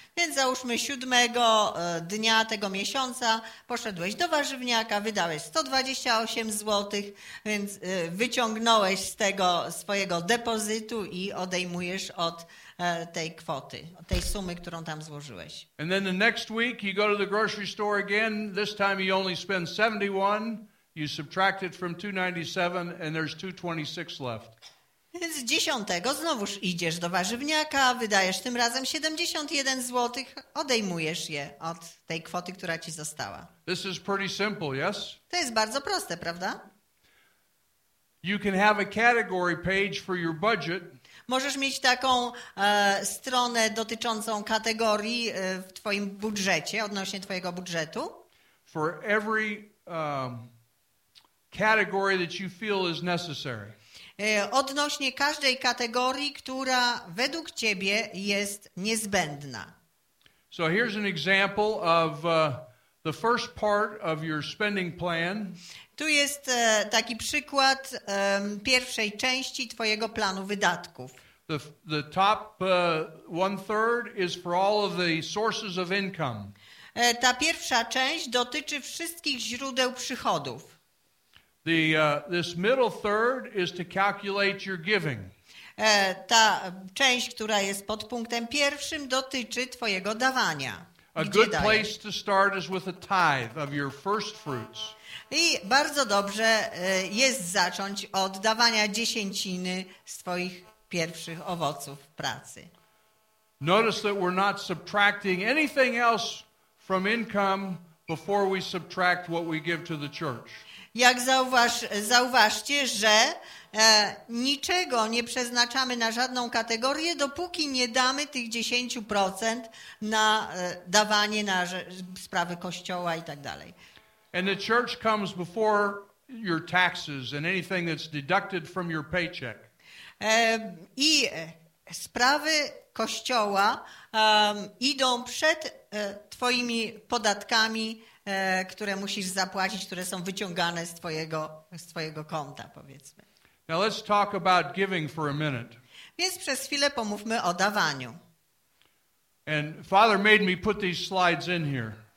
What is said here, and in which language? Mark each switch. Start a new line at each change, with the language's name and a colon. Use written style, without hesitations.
Polish: Więc załóżmy, 7 dnia tego miesiąca poszedłeś do warzywniaka, wydałeś 128 zł, więc wyciągnąłeś z tego swojego depozytu i odejmujesz od tej kwoty, tej sumy, którą tam złożyłeś.
English: And then the next week, you go to the grocery store again. This time, you only spend $71. You subtract it from 297 and there's 226 left.
Polish: Więc 10 znowuż idziesz do warzywniaka, wydajesz tym razem 71 zł, odejmujesz je od tej kwoty, która ci została.
English: This is pretty simple, yes?
Polish: To jest bardzo proste, prawda?
English: You can have a category page for your budget.
Polish: Możesz mieć taką stronę dotyczącą kategorii w twoim budżecie, odnośnie twojego budżetu.
English: For every category that you feel is necessary.
Polish: Odnośnie każdej kategorii, która według ciebie jest niezbędna.
English: So here's an example of the first part of your spending plan.
Polish: Tu jest taki przykład pierwszej części twojego planu wydatków.
English: The top one third is for all of the sources of income.
Polish: Ta pierwsza część dotyczy wszystkich źródeł przychodów.
English: This middle third is to calculate your giving.
Polish: Ta część, która jest pod punktem pierwszym, dotyczy twojego dawania.
English: A good place to start is with a tithe of your first fruits.
Polish: I bardzo dobrze jest zacząć od dawania dziesięciny z twoich pierwszych owoców pracy.
English: Notice that we're not subtracting anything else from income before we subtract what we give to the church.
Polish: Jak zauważcie, że niczego nie przeznaczamy na żadną kategorię, dopóki nie damy tych 10% na dawanie na sprawy Kościoła i tak dalej.
English: And the church comes before your taxes and anything that's deducted from your paycheck.
Polish: I sprawy Kościoła idą przed twoimi podatkami, które musisz zapłacić, które są wyciągane z twojego konta, powiedzmy.
English: Now let's talk about giving for a minute.
Polish: Więc przez chwilę pomówmy o dawaniu.
English: And Father made me put these slides in here.